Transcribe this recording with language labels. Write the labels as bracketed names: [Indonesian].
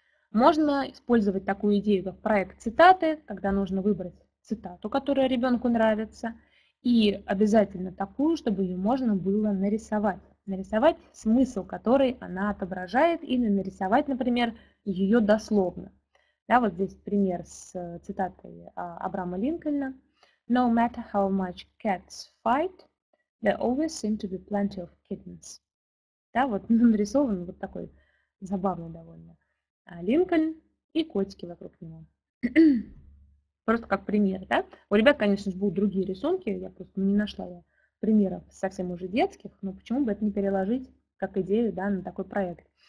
[Russian] Можно использовать такую идею, как проект цитаты, когда нужно выбрать цитату, которая ребенку нравится, и обязательно такую, чтобы ее можно было нарисовать. Нарисовать смысл, который она отображает, или нарисовать, например, ее дословно. Да, вот здесь пример с цитатой Абрама Линкольна. [English] No matter how much cats fight, there always seem to be plenty of kittens. [Russian] Да, вот нарисован вот такой забавный довольно Линкольн и котики вокруг него. Просто как пример, да? У ребят, конечно же, будут другие рисунки, я просто не нашла я примеров совсем уже детских, но почему бы это не переложить как идею, да, на такой проект.